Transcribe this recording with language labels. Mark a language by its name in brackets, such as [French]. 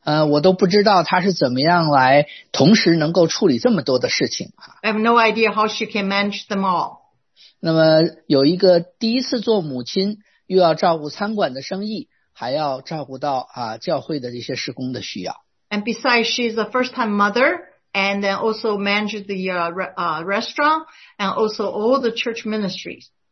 [Chinese] 我都不知道她是怎么样来同时能够处理这么多的事情。 [English] I have no idea how she can manage them all. [Chinese] 那么有一个第一次做母亲又要照顾餐馆的生意还要照顾到教会的这些事工的需要。 [English] And besides, she's a first-time mother, and then also manages the restaurant, and also all the church ministries.